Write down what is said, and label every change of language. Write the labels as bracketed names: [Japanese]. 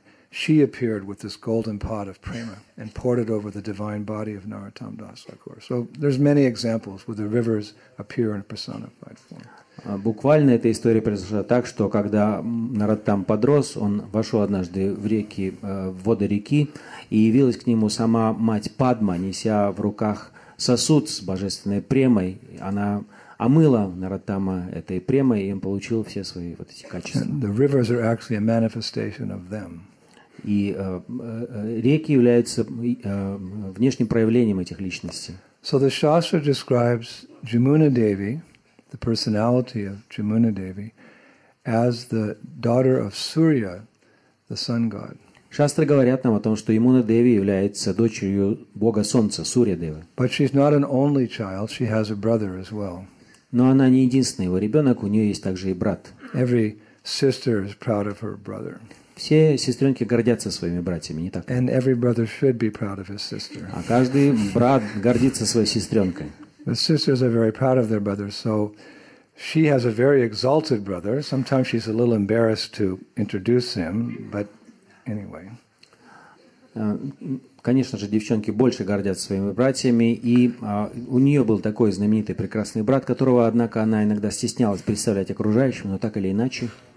[English] She appeared with this golden pot of prema and poured it over the divine body of Narottam Das Thakur. So there's many examples where the rivers appear in a personified form. [Russian] Буквально эта история произошла так, что когда Нараттам подрос, он вошел однажды в реки, в воды реки, и явилась к нему сама мать Падма, неся в руках сосуд с божественной премой. Она омыла Нараттама этой премой, и он получил все свои вот эти качества. [English] And the rivers are actually a manifestation of them. [Russian] И реки являются внешним проявлением этих личностей. [English] So the Shastra describes Jamuna Devi, the personality of Jamuna Devi, as the daughter of Surya, the sun god. [Russian] Шастры говорят нам о том, что Ямуна Деви является дочерью бога солнца, Сурья Девы. [English] But she's not an only child, she has a brother as well. [Russian] Но она не единственный его ребенок, у нее есть также и брат. [English] Every sister is proud of her brother. [Russian] Все сестренки гордятся своими братьями, не так? [English] And every brother should be proud of his sister. [Russian] А каждый брат гордится своей сестренкой. [English] The sisters are very proud of their brothers, so she has a very exalted brother. Sometimes she's a little embarrassed to introduce him, but anyway. [Russian] Конечно же, девчонки больше гордятся своими братьями, и у нее был такой знаменитый прекрасный брат, которого, однако, она иногда стеснялась представлять окружающим, но так или иначе.